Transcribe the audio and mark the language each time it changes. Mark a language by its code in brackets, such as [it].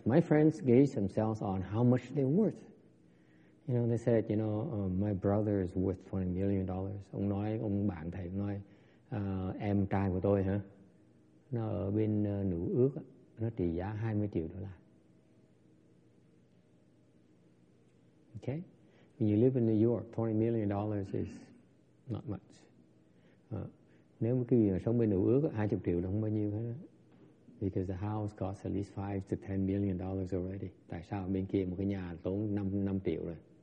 [en] My friends gauge themselves on how much they're worth. You know, they said, you know, my brother is worth $20 million. [vi] Ông nói, ông bạn thầy nói, em trai của tôi hả? Nó ở bên Nữ Ước, nó trị giá 20 triệu đô la. [en] Okay? When you live in New York, $20 million is not much. [vi] Nếu mà quý vị sống bên Nữ Ước, 20 triệu là không bao nhiêu hết. [en] Because the house costs at least $5 to $10 million already. [vi] Tại sao bên kia một cái nhà tốn 5 triệu rồi?